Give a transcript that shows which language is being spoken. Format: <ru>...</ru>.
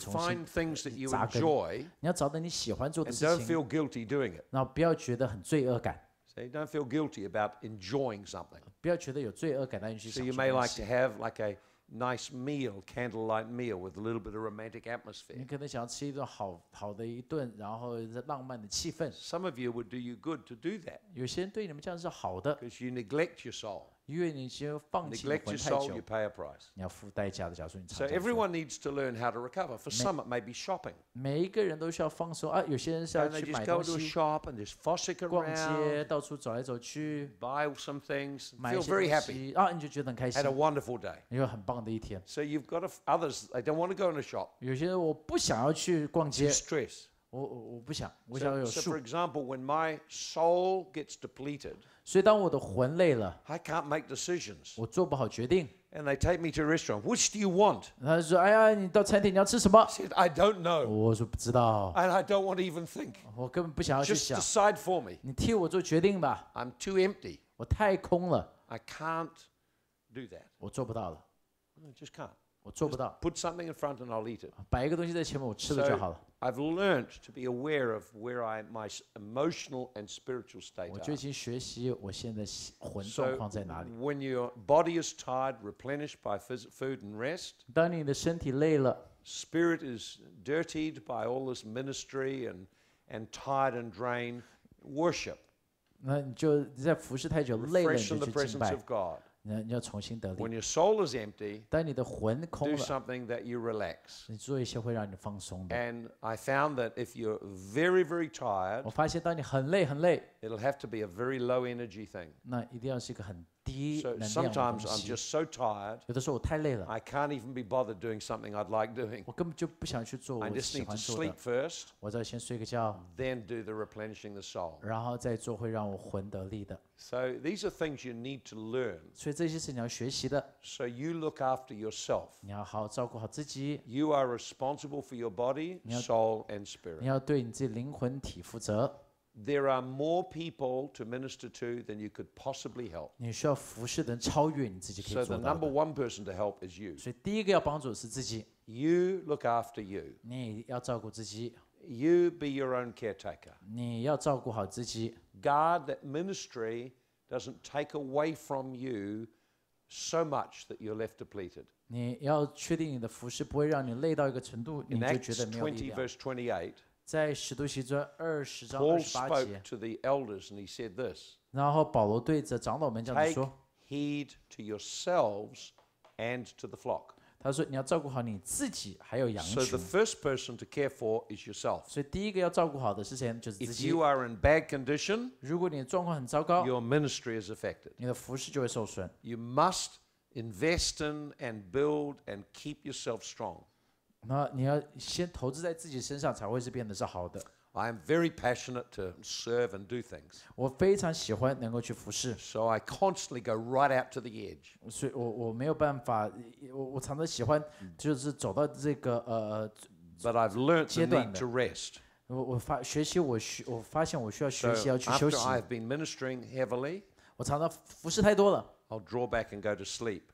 <en>So you find things that you enjoy.</en> <zh>你要找到你喜欢做的事情。</zh> <en>And don't feel guilty doing it.</en> <zh>然后不要觉得很罪恶感。</zh> <en>So you don't feel guilty about enjoying something.</en> <zh>不要觉得有罪恶感，但你去享受。</zh> <en>So you may like to have like a nice meal, candlelight meal with a little bit of romantic atmosphere.</en> <zh>你可能想要吃一顿好的一顿，然后浪漫的气氛。</zh> <en>Some of you would do you good to do that.</en> <zh>有些人对你们这样是好的。</zh> <en>Because you neglect your soul.</en> <zh>因为你先放弃魂太久。</zh> <en>Neglect your soul, you pay a price.</en> <zh>你要付代价的，假如说你。</zh> <en>So everyone needs to learn how to recover. For some, it may be shopping.</en> <zh>每一个人都需要放松啊，有些人是要去买东西。</zh> <en>And they just go to a shop and just fossick around.</en> <zh>逛街，到处走来走去。</zh> <en>Buy some things.</en> <zh>买一些东西。</zh> <en>Feel very happy.</en> <zh>啊，你就觉得很开心。</zh> <en>Had a wonderful day.</en> <zh>你有很棒的一天。</zh> <en>So you've got others. I don't want to go in a shop.</en> <zh>有些人我不想要去逛街。</zh> <en>Stress.</en> <zh>我不想，我想要有树。</zh> <en>So for example, when my soul gets depleted.</en> <zh>所以当我的魂累了</zh> <en>I can't make decisions.</en> <zh>我做不好决定</zh> <en>And they take me to a restaurant. Which do you want?</en> <zh>他说哎呀你到餐厅你要吃什么</zh> <en>I said I don't know.</en> <zh>我说不知道</zh> <en>And I don't want to even think.</en> <zh>我根本不想要去想</zh> <en>Just decide for me.</en> <zh>你替我做决定吧</zh> <en>I'm too empty.</en> <zh>我太空了</zh> <en>I can't do that.</en> <zh>我做不到了</zh> <en>I just can't.</en> <zh>我做不到</zh> <en>just Put something in front and I'll eat it.</en> <zh>摆一个东西在前面我吃了就好了</zh> <en>I've learned to be aware of where I my emotional and spiritual state are.</en> <zh>我最近学习我现在魂状况在哪里。</zh> <en>So when your body is tired, replenished by food and rest.</en> <zh>当你的身体累了。</zh> <en>Spirit is dirtied by all this ministry and tired and drained. Worship.</en> <zh>那你就在服侍太久累了，你就去敬拜。</zh> <en>Refresh in the presence of God.</en> <zh>你要重新得力。</zh> <en>When your soul is empty,</en> <zh>当你的魂空了</zh> <en>，do something that you relax.</en> <zh>你做一些会让你放松的。</zh> <en>And I found that if you're very, very tired,</en> <zh>我发现当你很累很累</zh> <en>，it'll have to be a very low energy thing.</en> <zh>那一定要是一个很</zh> <en>sometimes I'm just so tired.</en> <zh>有的时候我太累了。</zh> <en>I can't even be bothered doing something I'd like doing.</en> <zh>我根本就不想去做我喜欢做的。</zh> <en>I just need to sleep first.</en> <zh>我要先睡个觉。</zh> <en>Then do the replenishing the soul.</en> <zh>然后再做会让我魂得力的。</zh> <en>So these are things you need to learn.</en> <zh>所以这些是你要学习的。</zh> <en>So you look after yourself.</en> <zh>你要好好照顾好自己。</zh> <en>You are responsible for your body, soul, and spirit.</en> <zh>你要对你自己灵魂体负责。</zh> <en>There are more people to minister to than you could possibly help.</en> <zh>你需要服侍的人超越你自己可以做到的。</zh> <en>So the number one person to help is you.</en> <zh>所以第一个要帮助的是自己。</zh> <en>You look after you.</en> <zh>你要照顾自己。</zh> <en>You be your own caretaker.</en> <zh>你要照顾好自己。</zh> <en>Guard that ministry doesn't take away from you so much that you're left depleted.</en> <zh>你要确定你的服侍不会让你累到一个程度，你就觉得没有力量。</zh> <en>In Acts 20 verse 28.</en> <zh>在使徒行传二十章二十八节</zh> <en>Paul spoke to the elders and he said this.</en> <zh>然后保罗对着长老们这样说</zh> <en>Take heed to yourselves and to the flock.</en> <zh>他说你要照顾好你自己还有羊群</zh> <en>So the first person to care for is yourself.</en> <zh>所以第一个要照顾好的是谁就是自己</zh> <en>If you are in bad condition,</en> <zh>如果你的状况很糟糕</zh> <en>your ministry is affected.</en> <zh>你的服事就会受损</zh> <en>You must invest in and build and keep yourself strong.</en> <zh>那你要先投资在自己身上，才会是变得是好的。</zh> <en>I am very passionate to serve and do things.</en> <zh>我非常喜欢能够去服事。</zh> <en>So I constantly go right out to the edge.</en> <zh>所以我没有办法，我常常喜欢就是走到这个</zh> <en>But I've learned the need to rest.</en> <zh>我发现我需要学习要去休息。</zh> <en>So after I've been ministering heavily,</en> <zh>我常常服事太多了。</zh> <en>I'll draw back and go to sleep.</en>